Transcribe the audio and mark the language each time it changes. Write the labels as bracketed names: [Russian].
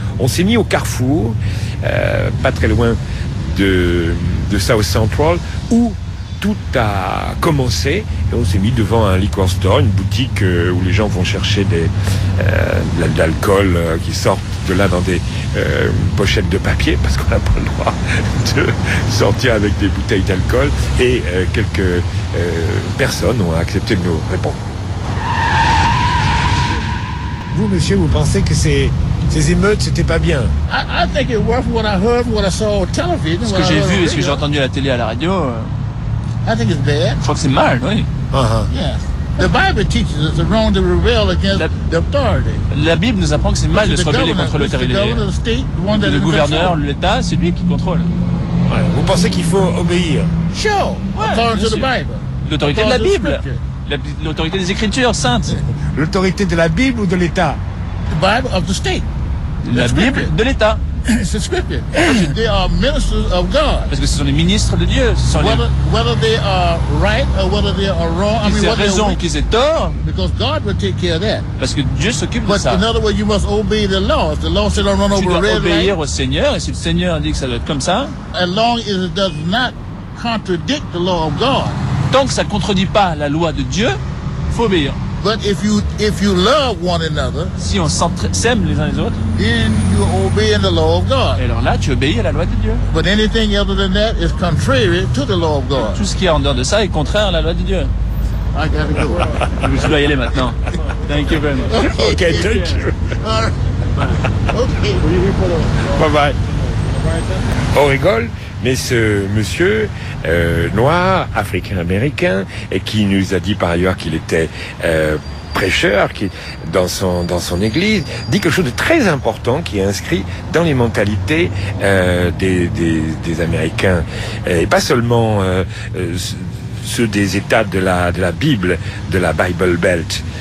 [French] On s'est mis au carrefour, pas très loin de South Central, où tout a commencé, et on s'est mis devant un liquor store, une boutique où les gens vont chercher de l'alcool qui sort de là dans des pochettes de papier, parce qu'on n'a pas le droit de sortir avec des bouteilles d'alcool, et quelques personnes ont accepté de nous répondre. Vous, monsieur, vous pensez que ces émeutes, c'était pas bien? Ce que j'ai vu et ce que j'ai entendu à la télé, à la radio, [English] I think it's bad. [French] Je crois que c'est mal, oui. [English] The Bible teaches us the wrong to rebel against the authority. [French] La Bible nous apprend que c'est mal de se rebeller contre l'autorité. Le gouverneur, l'État, c'est lui qui contrôle. Ouais. Vous pensez qu'il faut obéir? L'autorité de la Bible. L'autorité des Écritures saintes. L'autorité de la Bible ou de l'État? [English] The Bible of the state. [French] La Bible de l'État. [English] C'est scripture. They are ministers of God. [French] Parce que ce sont les ministres de Dieu. Ce sont [English] whether they are right or whether they are wrong. [French] Qu'ils aient raison ou qu'ils aient tort. [English] Because God will take care of that. [French] Parce que Dieu s'occupe [English] But [French] de ça. [English] But in other words, you must obey the law. If the law says don't run [French] tu [English] over the red light. [French] Tu dois obéir au Seigneur, et si le Seigneur dit que ça doit être comme ça. [English] As long as it does not contradict the law of God. [French] Tant que ça ne contredit pas la loi de Dieu, il faut obéir. [English] But if you love one another, [French] si on s'aime les uns les autres, [English] then you obey the law of God. [French] Et alors là, tu obéis à la loi de Dieu. [English] But anything other than that is contrary to the law of God. [French] Tout ce qui est en dehors de ça est contraire à la loi de Dieu. [English] I gotta go. [French] Je dois y aller maintenant. [English] Thank you very much. Okay, okay, thank you. All right. Okay. Bye bye. [French] On rigole, mais ce monsieur noir, africain-américain, et qui nous a dit par ailleurs qu'il était prêcheur qui, dans son église, dit quelque chose de très important qui est inscrit dans les mentalités des Américains, et pas seulement ceux des États de la Bible, de la Bible Belt.